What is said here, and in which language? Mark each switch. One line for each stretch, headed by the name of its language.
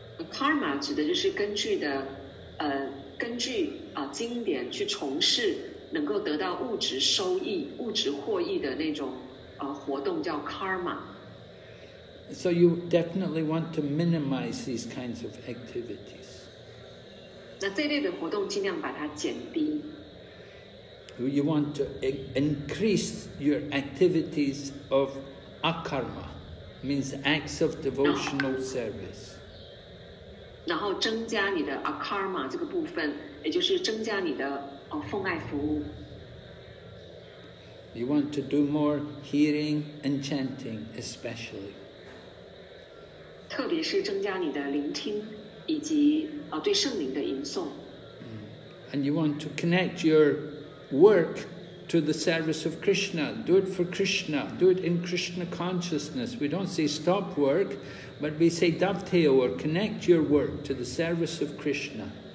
Chinese: Karma 指的就是根据的，根据经典去从事能够得到物质收益、物质获益的那种活动叫 karma。
English: So you definitely want to minimize these kinds of activities.
Chinese: 那这类的活动尽量把它减低。
English: You want to increase your activities of akarma, means acts of devotional service.
Chinese: 然后增加你的 akarma 这个部分，也就是增加你的奉爱服务。
English: You want to do more hearing and chanting, especially.
Chinese: 特别是增加你的聆听以及对圣灵的吟诵。
English: And you want to connect your work to the service of Krishna. Do it for Krishna. Do it in Krishna consciousness. We don't say stop work. But we say dovetail or connect your work to the service of Krishna.